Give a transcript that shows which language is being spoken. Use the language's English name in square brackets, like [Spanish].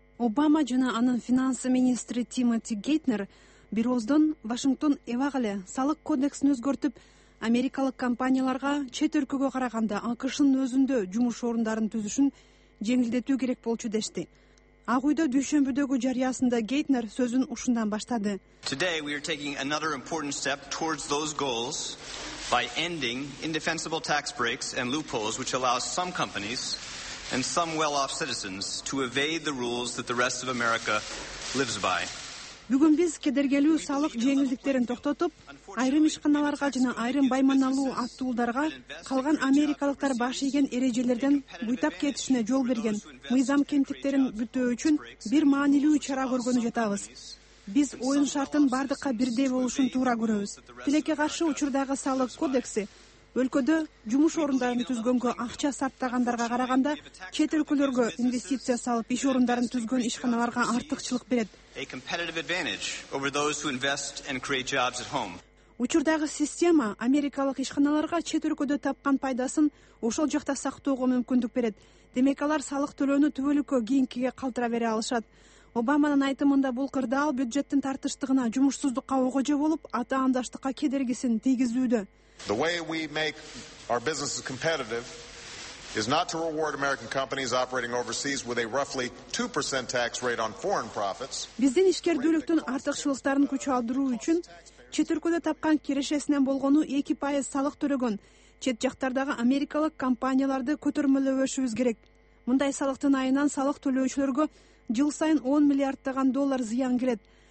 [Kyrgyz] Обама жана анын финансы министри Тимоти Гейтнер бир ооздон Вашингтон эвак эле салык кодексин өзгөртүп, америкалык компанияларга чет өлкөгө караганда АКШнын өзүндө жумуш орундарын түзүшүн жеңилдетүү керек болчу дешти. Ак Үйдө дүйшөмбүдөгү жарыясында Гейтнер сөзүн ушундан баштады. [English] Today we are taking another important step towards those goals by ending indefensible tax breaks and loopholes which allow some companies and some well-off citizens to evade the rules that the rest of America lives by. [Kyrgyz] Бүгүн биз кедергелүү салык жеңилдиктерин токтотуп, айрым ишканаларга жана айрым байманалуу аттуулдарга калган америкалыктар баш ийген эрежелерден буйтап кетишине жол берген мыйзам кемтиктерин бүтөө үчүн бир маанилүү чара көргөнү жатабыз. Биз оюн шартын бардыкка бирдей болушун туура көрөбүз. Тилекке каршы учурдагы салык кодекси өлкөдө жумуш орундарын түзгөнгө акча сарптагандарга караганда чет өлкөлөргө инвестиция салып иш орундарын түзгөн ишканаларга артыкчылык берет. Учурдагы система америкалык ишканаларга чет өлкөдө тапкан пайдасын ошол жакта сактоого мүмкүндүк берет. Демек алар салык төлөөнү түбөлүккө кийинкиге калтыра бере алышат. Обаманын айтымында бул кырдаал бюджеттин тартыштыгына, жумушсуздукка огожо болуп, ата андаштыкка кедергисин тийгизүүдө. [English] The way we make our businesses competitive is not to reward American companies operating overseas with a roughly 2% tax rate on foreign profits. [Kyrgyz] Биздин ишкердүүлүктүн артыкчылыктарын күчөлдүрүү үчүн чет өлкөдө тапкан кирешесинен болгону 2% салык төлөгөн чет жактардагы америкалык компанияларды көтөрмөлөбөшүбүз керек. Мындай салыктын айынан салык төлөөчүлөргө жыл сайын 10 миллиарддаган доллар зыян келет.